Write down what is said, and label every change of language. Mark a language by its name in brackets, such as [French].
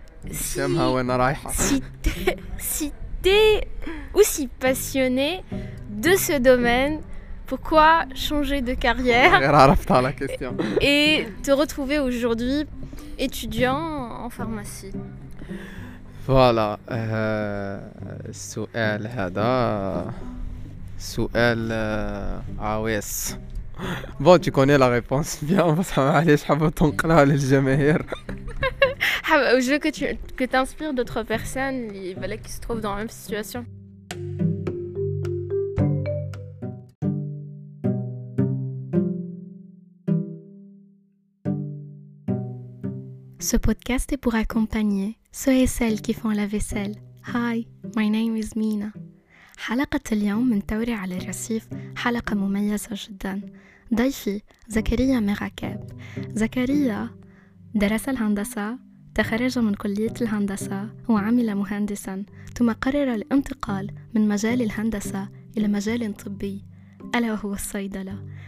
[French] Si t'es aussi passionné de ce domaine, pourquoi changer de carrière et te retrouver aujourd'hui étudiant en pharmacie? [Arabic] Voilà, السؤال هذا سؤال عويص. [French] Bon, tu connais la réponse bien, [Arabic] معليش حاب تنقلها للجماهير. [French] Je veux que tu t'inspires d'autres personnes qui se trouvent dans la même situation. Ce podcast est pour accompagner ceux et celles qui font la vaisselle. [English] Hi, my name is Mina. [Arabic] حلقة اليوم من توري على الرصيف حلقة مميزة جدا. ضيفي زكريا مراكب. زكريا درس الهندسة، تخرج من كلية الهندسة وعمل مهندسا، ثم قرر الانتقال من مجال الهندسة إلى مجال طبي ألا وهو الصيدلة.